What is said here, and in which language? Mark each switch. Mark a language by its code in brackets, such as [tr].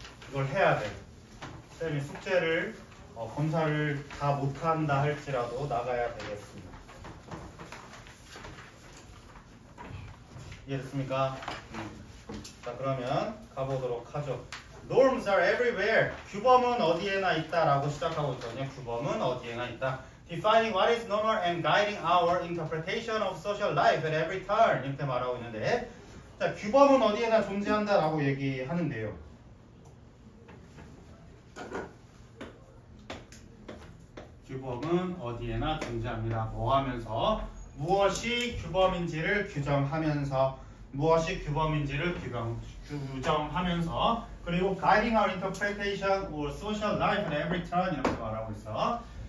[ko] 이걸 해야 돼. 선생님이 숙제를 검사를 다 못한다 할지라도 나가야 되겠습니다. 이해됐습니까? 자, 그러면 가보도록 하죠. [en] Norms are everywhere. [ko] 규범은 어디에나 있다 라고 시작하고 있거든요. 규범은 어디에나 있다. [en] Defining what is normal and guiding our interpretation of social life at every turn. [ko] 이렇게 말하고 있는데 자, 규범은 어디에나 존재한다 라고 얘기하는데요. 규범은 어디에나 존재합니다. 뭐 하면서 무엇이 규범인지를 규정하면서 무엇이 규범인지를 규정하면서 그리고 [en] guiding our interpretation or social life at every turn [ko] 이렇게 말하고 있어.